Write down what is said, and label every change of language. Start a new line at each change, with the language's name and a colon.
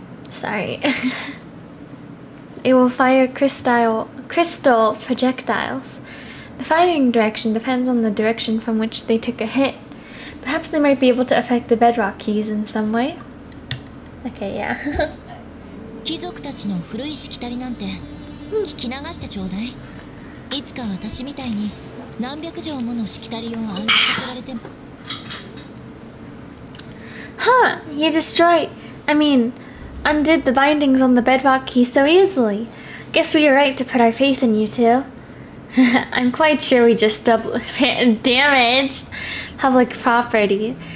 English: Sorry. It will fire crystal projectiles. The firing direction depends on the direction from which they took a hit. Perhaps they might be able to affect the bedrock keys in some way? Okay, yeah.
Japanese: 貴族たちの古いしきたりなんて...
English: undid the bindings on the bedrock key so easily. Guess we are right to put our faith in you two. I'm quite sure we just damaged public property.